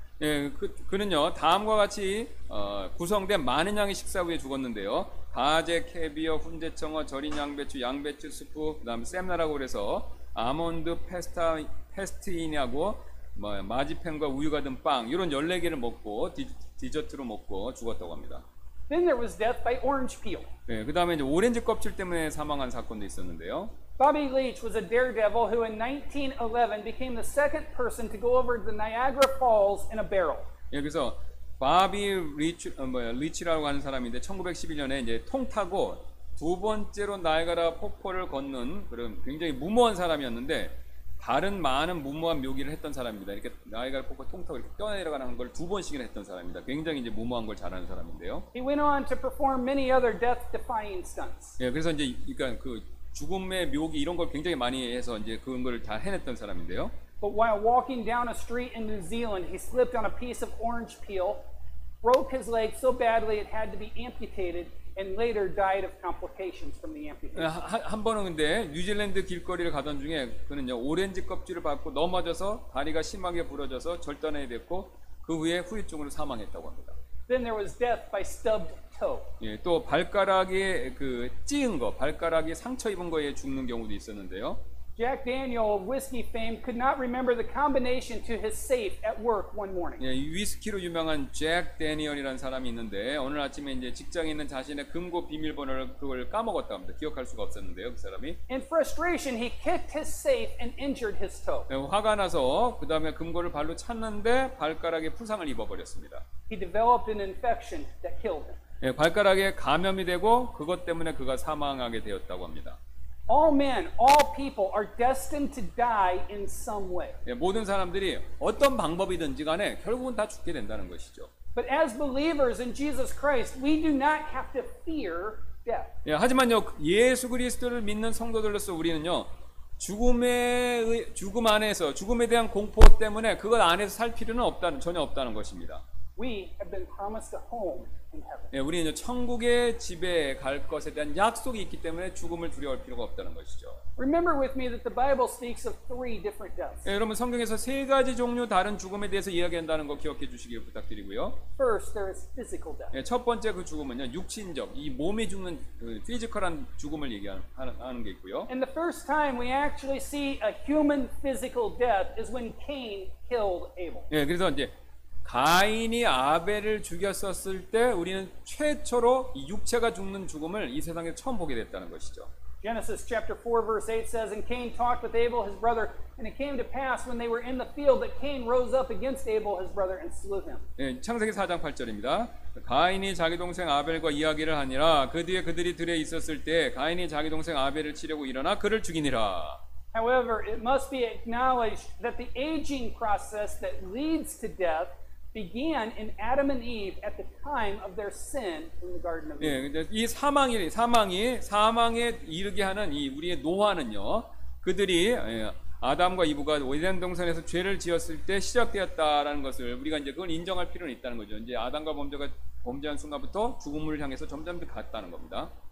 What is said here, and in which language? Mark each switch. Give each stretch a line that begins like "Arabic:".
Korean: 예, 그는요 다음과 같이 구성된 많은 양의 식사 후에 죽었는데요. 가재, 캐비어, 훈제청어, 절인 양배추, 양배추 수프, 그다음 샘나라고 그래서 아몬드 페스티니하고 뭐 마지팬과 우유가 든 빵 이런 14개를 먹고 디저트로 먹고 죽었다고 합니다.
English: Then there was death by orange peel.
Korean: 네, 그다음에 이제 오렌지 껍질 때문에 사망한 사건도 있었는데요.
English: Bobby Leach was a daredevil who in 1911 became the second person to go over the Niagara Falls in a barrel.
Korean: 예, 그래서 바비 리치라고 하는 사람인데 1911년에 이제 통 타고 두 번째로 나이가라 폭포를 걷는 그런 굉장히 무모한 사람이었는데 다른 많은 무모한 묘기를 했던 사람입니다. 이렇게 나이가를 뽑고 통타고 이렇게 떠내려가는 걸 두 번씩이나 했던 사람입니다. 굉장히 이제 무모한 걸 잘하는 사람인데요.
English: He went on to perform many other death-defying stunts.
Korean: 예, 그래서 이제 그러니까 그 죽음의 묘기 이런 걸 굉장히 많이 해서 이제 그런 걸 다 해냈던 사람인데요.
English: But while walking down a street in New Zealand, he slipped on a piece of orange peel, broke his leg so badly it had to be amputated, and later died of complications from the amputation.
Korean: 한 번은 근데 뉴질랜드 길거리를 가던 중에 그는요 오렌지 껍질을 받고 넘어져서 다리가 심하게 부러져서 절단이 됐고 그 후에 후유증으로 사망했다고 합니다.
English: Then there was death by stubbed toe.
Korean: 예, 또 발가락에 그 찌은 거, 발가락에 상처 입은 거에 죽는 경우도 있었는데요.
English: Jack Daniel of whiskey fame could not remember the combination to his safe at work one morning.
Korean: 예, 위스키로 유명한 잭 대니얼이라는 사람이 있는데 오늘 아침에 이제 직장에 있는 자신의 금고 비밀번호를 그걸 까먹었다 합니다. 기억할 수가 없었는데요, 그 사람이.
English: In frustration, he kicked his safe and injured his toe.
Korean: 예, 화가 나서 그 다음에 금고를 발로 찼는데 발가락에 부상을 입어버렸습니다.
English: He developed an infection that killed him.
Korean: 예, 발가락에 감염이 되고 그것 때문에 그가 사망하게 되었다고 합니다.
English: All men, all people are destined to die in some way.
Korean: 예, 모든 사람들이 어떤 방법이든지 간에 결국은 다 죽게 된다는 것이죠.
English: But as believers in Jesus Christ, we do not have to fear death.
Korean: 예, 하지만요, 예수 그리스도를 믿는 성도들로서 우리는요, 죽음 안에서 죽음에 대한 공포 때문에 그것 안에서 살 필요는 없다는 전혀 없다는 것입니다.
English: We have been promised a home in heaven.
Korean: 예, 우리는 천국의 집에 갈 것에 대한 약속이 있기 때문에 죽음을 두려워할 필요가 없다는 것이죠.
English: Remember with me that the Bible speaks of three different deaths.
Korean: 예, 여러분 성경에서 세 가지 종류 다른 죽음에 대해서 이야기한다는 거 기억해 주시길 부탁드리고요.
English: First, there is physical death.
Korean: 예, 첫 번째 그 죽음은요, 육신적, 이 몸에 죽는 그 피지컬한 죽음을 얘기하는 게 있고요.
English: And the first time we actually see a human physical death is when Cain killed Abel.
Korean: 예, 그래서 이제 가인이 아벨을 죽였었을 때 우리는 최초로 이 육체가 죽는 죽음을 이 세상에 처음 보게 됐다는 것이죠.
English: Genesis chapter 4 verse 8 says and Cain talked with Abel his brother and it came to pass when they were in the field that Cain rose up against Abel his brother and slew him.
Korean: 예, 창세기 4장 8절입니다. 가인이 자기 동생 아벨과 이야기를 하니라 그 뒤에 그들이 들에 있었을 때 가인이 자기 동생 아벨을 치려고 일어나 그를 죽이니라.
English: However, it must be acknowledged that the aging process that leads to death began in Adam and Eve at the time of their sin in the Garden of Eden.
Korean: 예, 이 사망이 사망에 이르게 하는 이 우리의 노화는요, 그들이 예, 아담과 이브가 에덴 동산에서 죄를 지었을 때 시작되었다라는 것을 우리가 이제 그걸 인정할 필요는 있다는 거죠. 이제 아담과 범죄한 순간부터 죽음을 향해서 점점 갔다는 겁니다.